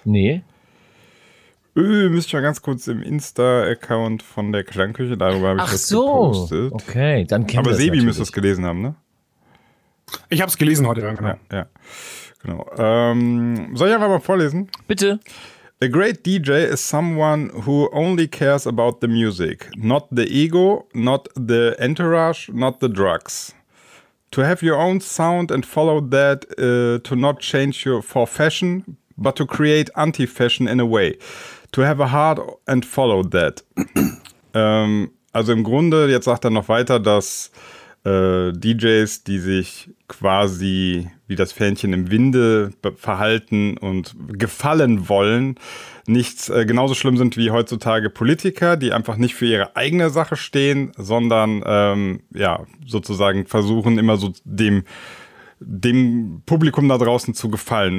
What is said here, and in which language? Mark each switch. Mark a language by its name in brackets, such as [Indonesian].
[German] Nee. Müsste ich mal ganz kurz im Insta-Account von der Klangküche, darüber habe ich das so gepostet. Ach so, okay, dann kennt aber das Sebi natürlich. Müsste es gelesen haben, ne? Ich habe es gelesen heute. Ja, genau. Soll ich einfach mal vorlesen? Bitte. [English] A great DJ is someone who only cares about the music, not the ego, not the entourage, not the drugs. To have your own sound and follow that, to not change you for fashion, but to create anti-fashion in a way. To have a heart and follow that. [German] Also im Grunde, jetzt sagt er noch weiter, dass DJs, die sich quasi wie das Fähnchen im Winde verhalten und gefallen wollen, nicht genauso schlimm sind wie heutzutage Politiker, die einfach nicht für ihre eigene Sache stehen, sondern sozusagen versuchen immer so dem Publikum da draußen zu gefallen.